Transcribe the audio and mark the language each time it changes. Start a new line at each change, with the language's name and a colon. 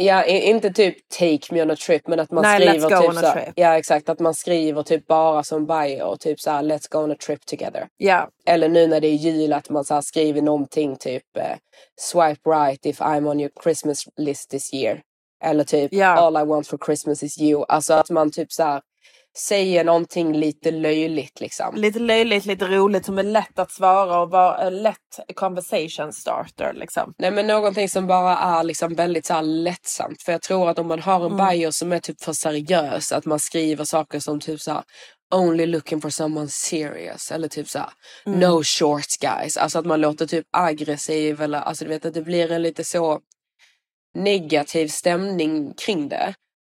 Swedish: Ja, inte typ
English: take me on a trip
Swedish: men att man skriver typ så. Ja, exakt, att man skriver och typ bara som bio och typ så här,
English: let's go on a trip together. Yeah.
Swedish: Eller nu när det är jul att man så här skriver någonting typ
English: swipe right if I'm on your Christmas list this year.
Swedish: Eller typ
English: all I want for Christmas is you.
Swedish: Alltså att man typ så här säger någonting lite löjligt liksom. Lite löjligt, lite roligt som är lätt att svara och vara lätt conversation starter liksom. Nej, men någonting som bara är liksom väldigt så här lättsamt. För jag tror att om man har en bio som är typ för seriös, att man skriver saker som typ så här,
English: only looking for someone serious
Swedish: eller typ så här,
English: no short guys,
Swedish: alltså att man låter typ aggressiv eller alltså du vet att det blir en lite så negativ stämning kring det.